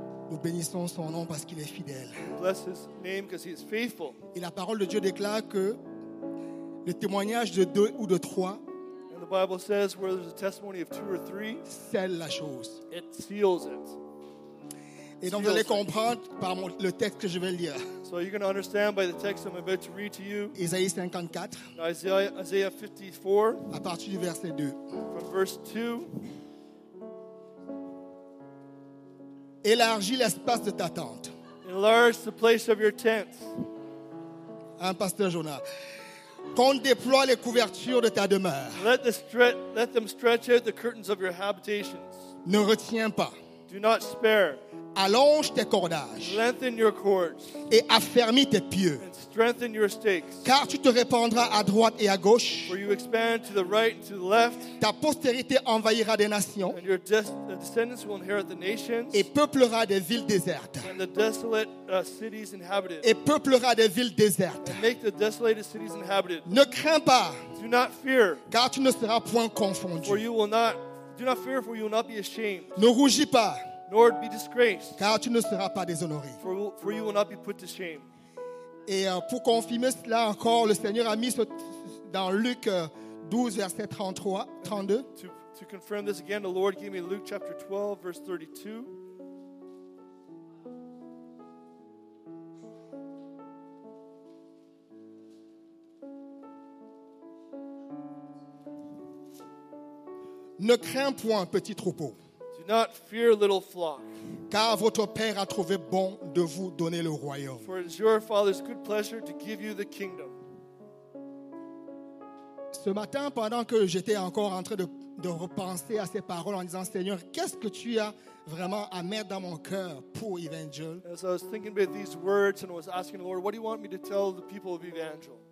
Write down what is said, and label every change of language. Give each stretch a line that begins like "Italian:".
French: Nous bénissons son nom parce qu'il est fidèle.
English: Bless his name because he is faithful.
French: Et la parole de Dieu déclare que le témoignage de deux ou de trois,
English: and the Bible says where there's a testimony of two or three,
French: scelle la chose.
English: It seals it.
French: Et donc vous allez comprendre par le texte que je vais lire.
English: So you're going to understand by the text I'm about to read to you.
French: Isaïe 54.
English: Isaiah 54.
French: À partir du verset 2.
English: From verse 2.
French: Élargis l'espace de ta tente.
English: Enlarge the place of your tent.
French: Hein, Pasteur Jonas. Qu'on déploie les couvertures de ta demeure.
English: Let them stretch out the curtains of your habitations.
French: Ne retiens pas.
English: Do not spare.
French: Allonge tes cordages.
English: Lengthen your cords.
French: Et affermis tes pieux.
English: And strengthen your stakes.
French: Car tu te répandras à droite et à gauche.
English: For you expand to the right and to the left.
French: Ta postérité envahira des nations.
English: And your descendants will inherit the nations.
French: Et peuplera des villes désertes.
English: And the desolate cities inhabited.
French: Et peuplera des villes désertes.
English: And make the desolated cities inhabited.
French: Ne crains pas.
English: Do not fear.
French: Car tu ne seras point confondu.
English: For you will not. Do not fear, for you will not be ashamed.
French: Ne rougis pas.
English: Nor be disgraced.
French: Car tu ne seras pas déshonoré.
English: For you will not be put to shame.
French: Et pour confirmer cela encore, le Seigneur a mis dans Luc 12, verset 33, 32.
English: To confirm this again, the Lord gave me Luke chapter 12, verse 32.
French: Ne crains point, petit troupeau.
English: Do not fear, little flock.
French: Car votre Père a trouvé bon de vous donner le royaume.
English: For it is your Father's good pleasure to give you the kingdom.
French: Ce matin, pendant que j'étais encore en train de repenser à ces paroles en disant, Seigneur, qu'est-ce que tu as vraiment à mettre dans mon cœur pour Evangel?
English: As I was thinking about these words and was asking the Lord, what do you want me to tell the people of Evangel?